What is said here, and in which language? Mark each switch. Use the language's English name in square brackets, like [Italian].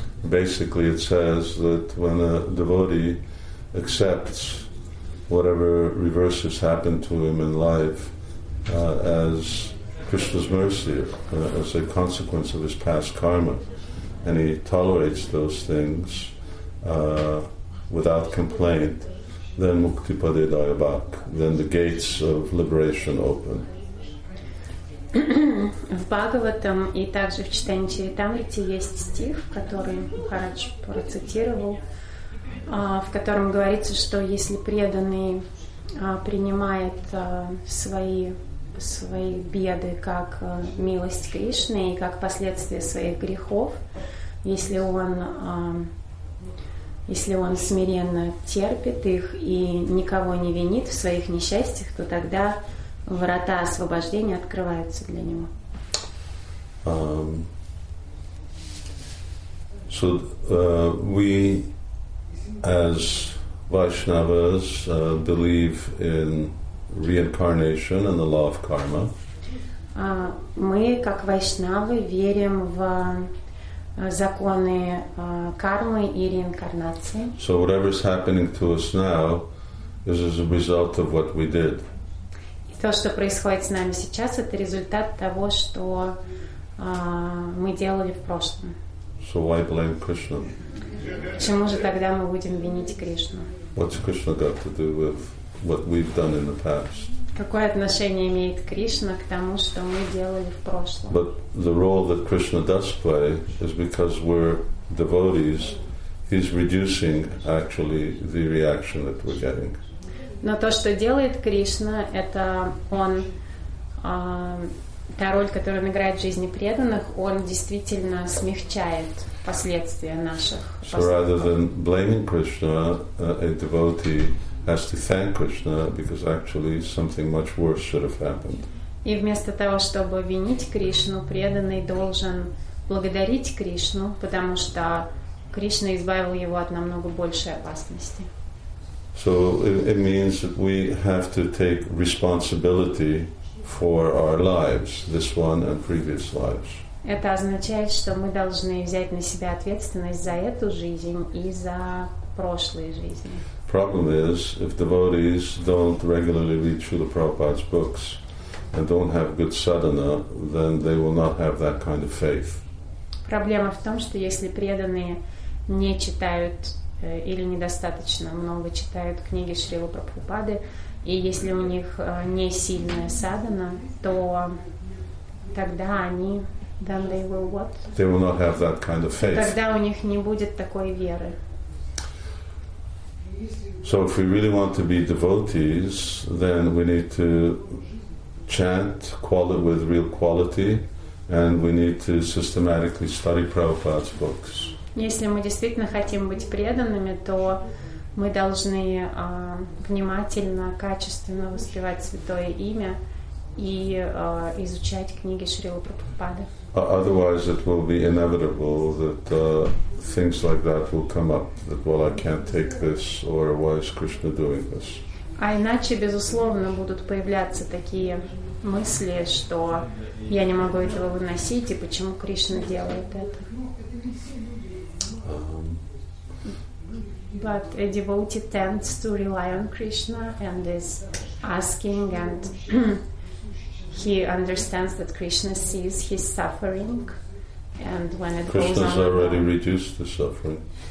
[English] Basically, it says that when a devotee accepts whatever reverses happen to him in life as Krishna's mercy, as a consequence of his past karma, and he tolerates those things without complaint, then mukti pade dayabak, then the gates of liberation open. [Russian] В Бхагаватам и также в Чайтанья Чаритамрите есть стих, который Махарадж процитировал, в котором говорится, что если преданный принимает свои беды как милость Кришны и как последствия своих грехов, если он смиренно терпит их и никого не винит в своих несчастьях, то тогда врата освобождения открываются для него. [English] We as Vaishnavas believe in reincarnation and the law of karma. [Russian] Мы как вайшнавы верим в законы кармы и реинкарнации. [English] So whatever is happening to us now is as a result of what we did. [Russian] И то, что происходит с нами сейчас, это результат того, что мы делали в прошлом. [English] So why blame Krishna? [Russian] Почему же тогда мы будем винить Кришну? [English] What's Krishna got to do with what we've done in the past? [Russian] Какое отношение имеет Кришна к тому, что мы делали в прошлом? [English] But the role that Krishna does play is because we're devotees, he's reducing actually the reaction that we're getting. [Russian] Но то, что делает Кришна, это он, та роль, которую он играет в жизни преданных, он действительно смягчает последствия наших поступков. [English] So rather than blaming Krishna, a devotee has to thank Krishna because actually something much worse should have happened. [Russian] И вместо того, чтобы винить Кришну, преданный должен благодарить Кришну, потому что Кришна избавил его от намного большей опасности. [English] So it means that we have to take responsibility for our lives, this one and previous lives. [Russian] Это означает, что мы должны взять на себя ответственность за эту жизнь и за прошлые жизни. [English] Problem is, if devotees don't regularly read Srila Prabhupada's books and don't have good sadhana, then they will not have that kind of faith. [Russian] Проблема в том, что если преданные не читают или недостаточно много читают книги Шрилы Прабхупады, и если у них не сильная садхана, то тогда они [English] then they will what? They will not have that kind of faith. [Russian] Тогда у них не будет такой веры. [English] So if we really want to be devotees, then we need to chant with real quality, and we need to systematically study Prabhupada's books. [Russian] Если мы действительно хотим быть преданными, то мы должны внимательно, качественно воспевать святое имя и изучать книги Шрилы Прабхупады. [English] Otherwise, it will be inevitable that things like that will come up, that, well, I can't take this, or why is Krishna doing this? [Russian] А иначе, безусловно, будут появляться такие мысли, что я не могу этого выносить, и почему Кришна делает это. [English] But a devotee tends to rely on Krishna and is asking, and he understands that Krishna sees his suffering, and when it Krishna's goes on, Krishna's already reduced the suffering.